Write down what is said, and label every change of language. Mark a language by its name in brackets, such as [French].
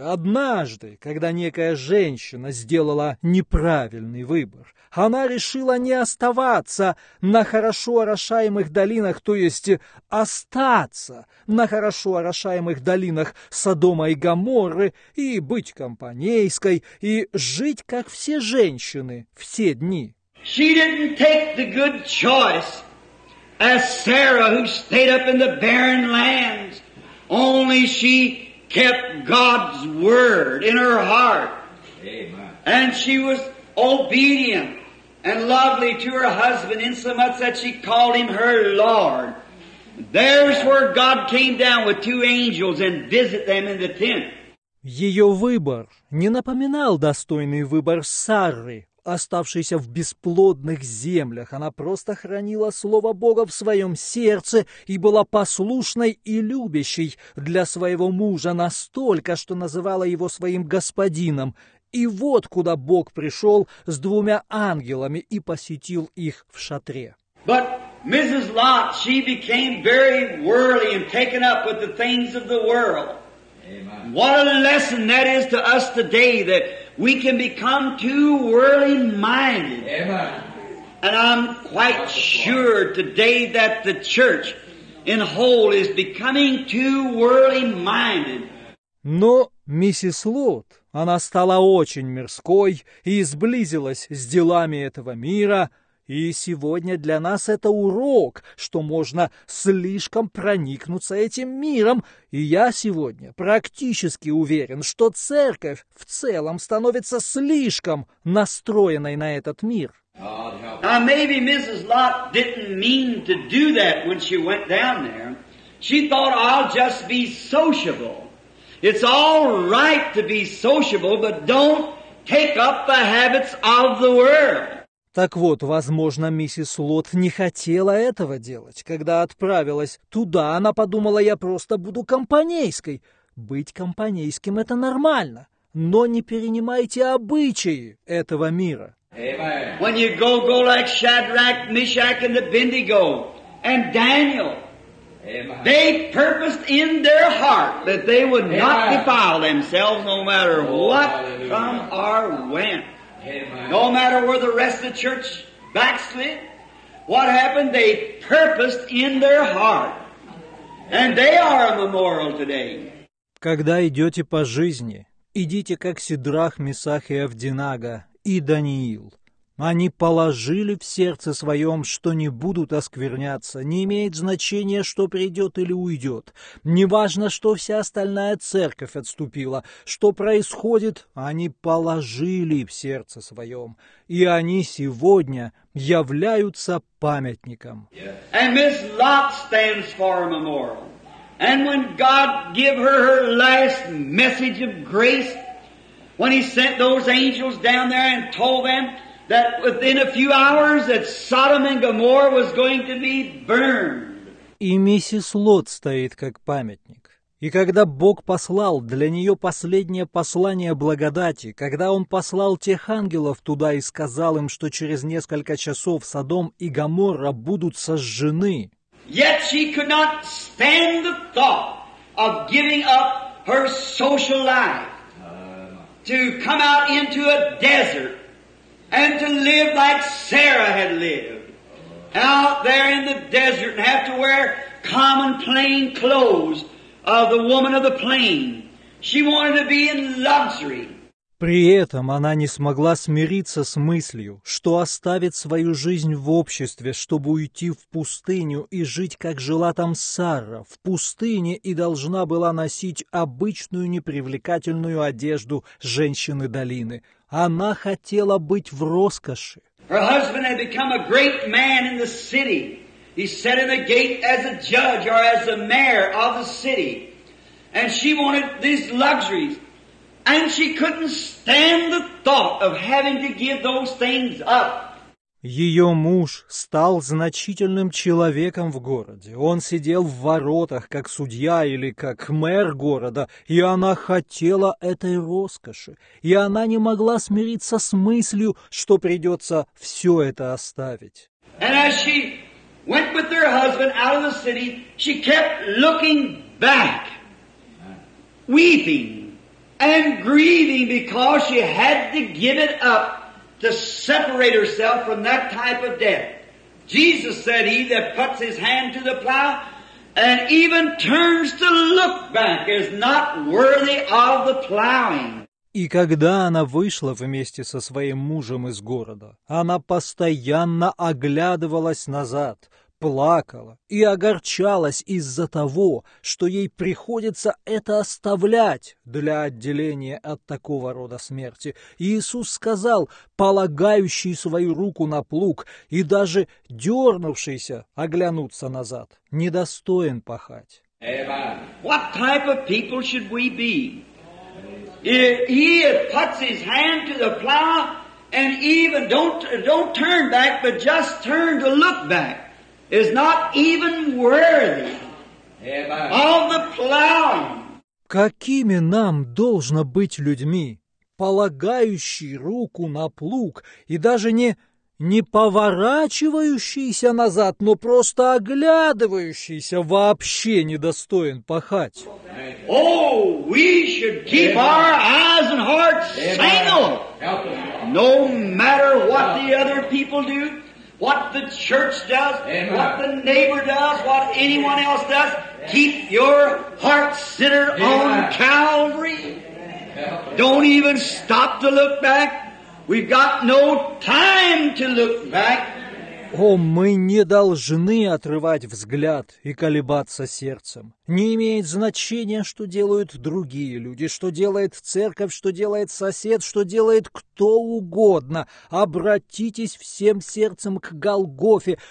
[Russian] Однажды, когда некая женщина сделала неправильный выбор, она решила не оставаться на хорошо орошаемых долинах, то есть остаться на хорошо орошаемых долинах Содома и Гоморры и быть компанейской, и жить, как все женщины, все дни. [English] She didn't take the good choice. As Sarah, who stayed up in the barren lands, only she kept God's word in her heart. Amen. And she was obedient and lovely to her husband, insomuch that she called him her Lord. There's where God came down with 2 angels and visited them in the tent. [Russian] Ее выбор не напоминал достойный выбор Сары, оставшейся в бесплодных землях. Она просто хранила слово Бога в своем сердце и была послушной и любящей для своего мужа настолько, что называла его своим господином. И вот куда Бог пришел с 2 ангелами и посетил их в шатре. [English] But Mrs. Lot, she became very worldly and taken up with the things of the world. Amen. What a lesson that is to us today, that we can become too worldly minded. Amen. And I'm quite sure today that the church and whole is becoming too worldly minded. [Russian] Но миссис Лут, она стала очень мирской и сблизилась с делами этого мира, и сегодня для нас это урок, что можно слишком проникнуться этим миром, и я сегодня практически уверен, что церковь в целом становится слишком настроенной на этот мир. [English] Now maybe Mrs. Lott didn't mean to do that when she went down there. She thought, I'll just be sociable. It's all right to be sociable, but don't take up the habits of the world. [Russian] Так вот, возможно, миссис Лот не хотела этого делать. Когда отправилась туда, она подумала, я просто буду компанейской. Быть компанейским – это нормально. Но не перенимайте обычаи этого мира. [English] Amen. When you go, go like Shadrach, Meshach, and Abednego, and Daniel. Amen. They purposed in their heart that they would Amen. Not defile themselves no matter what come or went. Amen. No matter where the rest of the church backslid, what happened, they purposed in their heart. And they are a memorial today. [Russian] Когда идете по жизни, идите как Сидрах, Месах и Авденаго и Даниил. Они положили в сердце своем, что не будут оскверняться. Не имеет значения, что придет или уйдет. Не важно, что вся остальная церковь отступила. Что происходит, они положили в сердце своем. И они сегодня являются памятником. [English] And Miss Lott stands for a memorial. And when God gave her her last message of grace, when he sent those angels down there and told them that within a few hours that Sodom and Gomorrah was going to be burned. [Russian] И миссис Лот стоит как памятник. И когда Бог послал для нее последнее послание благодати, когда Он послал тех ангелов туда и сказал им, что через несколько часов Содом и Гоморра будут сожжены. [English] Yet she could not stand the thought of giving up her social life. To come out into a desert and to live like Sarah had lived. Out there in the desert and have to wear common plain clothes of the woman of the plain. She wanted to be in luxury. [Russian] При этом она не смогла смириться с мыслью, что оставит свою жизнь в обществе, чтобы уйти в пустыню и жить, как жила там Сара, в пустыне и должна была носить обычную непривлекательную одежду женщины долины. Она хотела быть в роскоши. [English] Her husband had become a great man in the city. He sat in the gate as a judge or as the mayor of the city. And she wanted these luxuries. And she couldn't stand the thought of having to give those things up. [Russian] Ее муж стал значительным человеком в городе. Он сидел в воротах, как судья или как мэр города, и она хотела этой роскоши. И она не могла смириться с мыслью, что придется все это оставить. [English] And as she went with her husband out of the city, she kept looking back, weeping. And grieving because she had to give it up to separate herself from that type of death. Jesus said, he that puts his hand to the plow and even turns to look back is not worthy of the plowing. [Russian] И когда она вышла вместе со своим мужем из города, она постоянно оглядывалась назад. Плакала и огорчалась из-за того, что ей приходится это оставлять для отделения от такого рода смерти. Иисус сказал, полагающий свою руку на плуг и даже дернувшийся оглянуться назад, недостоин пахать. [English] What type of people should we be? If he puts his hand to the plow and even don't turn back, but just turn to look back. Is not even worthy of the plowing. [Russian] Какими нам должно быть людьми, полагающие руку на плуг и даже не поворачивающиеся назад, но просто оглядывающиеся, вообще недостоин пахать. [English] Oh, we should keep Amen. Our eyes and hearts single, no matter what the other people do. What the church does, Amen. What the neighbor does, what anyone else does, yes. Keep your heart centered Amen. On Calvary. Amen. Don't even stop to look back. We've got no time to look back. [Russian] О, мы не должны отрывать взгляд и колебаться сердцем. Не имеет значения, что делают другие люди, что делает церковь, что делает сосед, что делает кто угодно. Обратитесь всем сердцем к Голгофе.